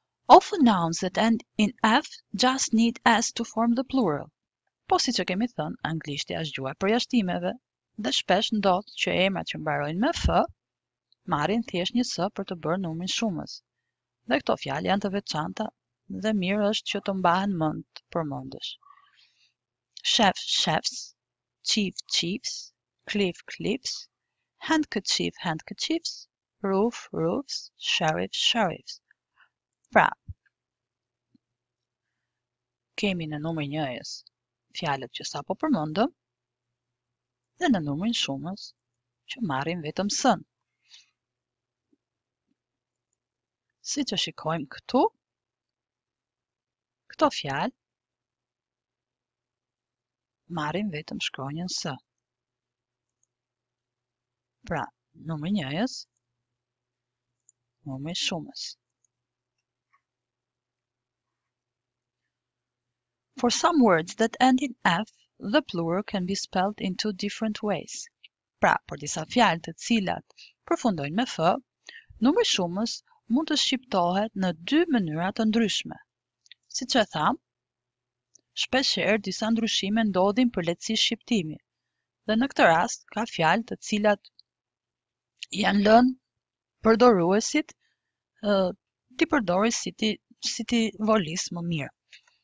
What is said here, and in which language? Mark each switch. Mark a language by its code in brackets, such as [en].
[en] Often nouns that end in f just need s to form the plural. [sq] Po si që kemi thënë, anglishti është gjuhë e përjashtimeve, dhe shpesh ndodh që emrat që mbarojnë me f marrin thjesht një s për të bërë numrin shumës. Dhe këto fjalë janë të veçanta dhe mirë është që të mbahen mend për mendesh. [en] Chef chefs, chief chiefs, cliff cliffs, handkerchief handkerchiefs, roof roofs, sheriff sheriffs. [sq] Pra, kemi në numrin njëjës fjalët që sapo përmendëm dhe në numrin shumës që marrim vetëm s-n. Si që shikojmë këtu, këto fjalë marrim vetëm shkronjën s. Pra, numri njëjës, numri shumës. [en] For some words that end in F, the plural can be spelled in two different ways. [sq] Pra, për disa fjalë të cilat përfundojnë me F, numri shumës mund të shqiptohet në dy mënyra të ndryshme. Si që tham, shpeshherë disa ndryshime ndodhin për lehtësi shqiptimi, dhe në këtë rast ka fjalë të cilat janë lënë përdoruesit ti përdori si ti volis më mirë.